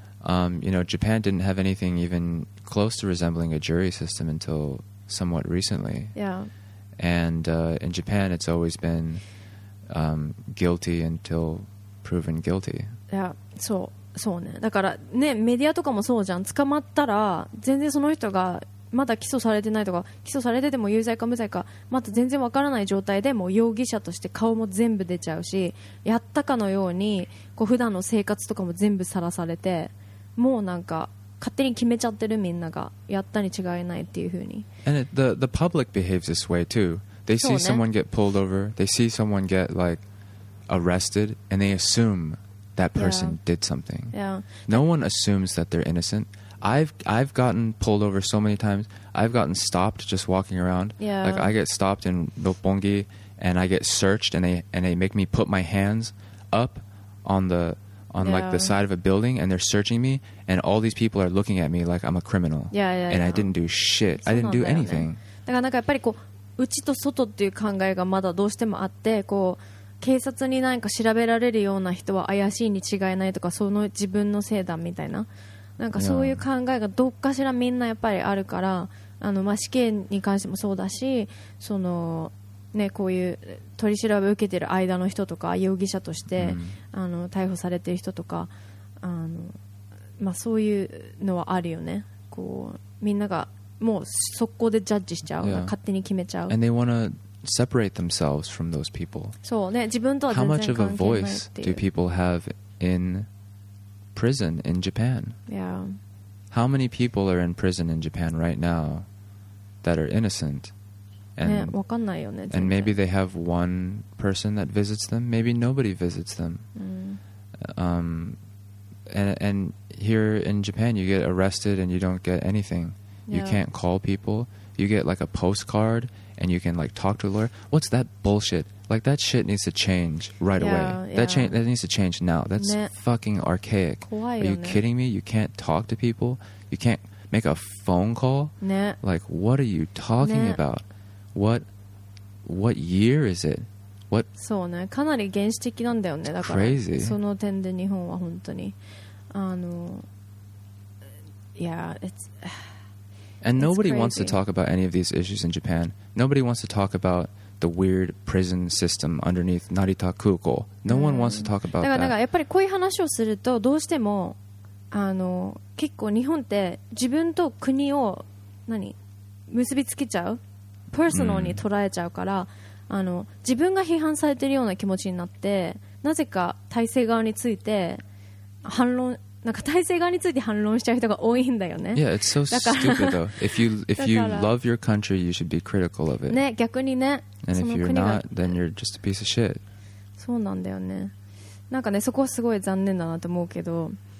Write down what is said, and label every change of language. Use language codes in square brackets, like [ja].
[en] You know, Japan didn't have anything even close to resembling a jury system until somewhat recently. Yeah. And in Japan, it's always been guilty until proven guilty. Yeah, so, so, ね。 [ja] だからね、メディアとかもそうじゃん。捕まったら、全然その人がまだ起訴されてないとか、起訴されてても有罪か無罪か、また全然わからない状態で、もう容疑者として顔も全部出ちゃうし、やったかのように、こう普段の生活とかも全部さらされて、もうなんか勝手に決めちゃってる、みんながやったに違いないっていう風に。 [en] And the public behaves this way too. They see someone get pulled over, they see someone get like arrested, and they assume that person did something. No one assumes that they're innocent. I've gotten pulled over so many times. I've gotten stopped just walking around. Like I get stopped in Roppongi and I get searched and they make me put my hands up on like the side of a building, and they're searching me, and all these people are looking at me like I'm a criminal. Yeah. And I didn't do shit. I didn't do anything. [ja] だからなんかやっぱりこう、内と外っていう考えがまだどうしてもあって、こう警察に何か調べられるような人は怪しいに違いないとか、その自分のせいだみたいな、なんかそういう考えがどっかしらみんなやっぱりあるから、あのまあ死刑に関してもそうだし、そのね、こういう取り調べを受けている間の人とか容疑者として、うん、あの逮捕されている人とか、あの、まあ、そういうのはあるよね。こうみんながもう速攻でジャッジしちゃう、yeah. 勝手に決めちゃう。 [en] And they want to separate themselves from those people. [ja] そうね、自分とは全然関係ないっていう。 [en] How much of a voice do people have in prison in Japan? Yeah. How many people are in prison in Japan right now that are innocent? [ja] And, ね、わかんないよね、全 [en] 然。And maybe they have one person that visits them. Maybe nobody visits them. And here in Japan, you get arrested and you don't get anything. You can't call people. You get like a postcard and you can like talk to a lawyer. What's that bullshit? Like that shit needs to change right away. That needs to change now. That's fucking archaic. Are you kidding me? You can't talk to people. You can't make a phone call. Like what are you talking about? What year is it? What? [ja] そうね、かなり原始的なんだよね。だから、 [en] crazy. [ja] その点で日本は本当に、 [en] And nobody wants to talk about any of these issues in Japan. Nobody wants to talk about the weird prison system underneath Narita Kuko. No one wants to talk about that. [ja] だからやっぱりこういう話をするとどうしても結構日本って自分と国を何結びつけちゃう、パーソナルに捉えちゃうから、自分が批判されてるような気持ちになって、なぜか体制側について反論。なんか体制側について反論しちゃう人が多いんだよね。 [en] Yeah, it's so stupid though. If you love your country, you should be critical of it. [ja] ね、逆にね。 [en] And if you're not, then you're just a piece of shit. [ja] そうなんだよね。なんかね、そこはすごい残念だなと思うけど、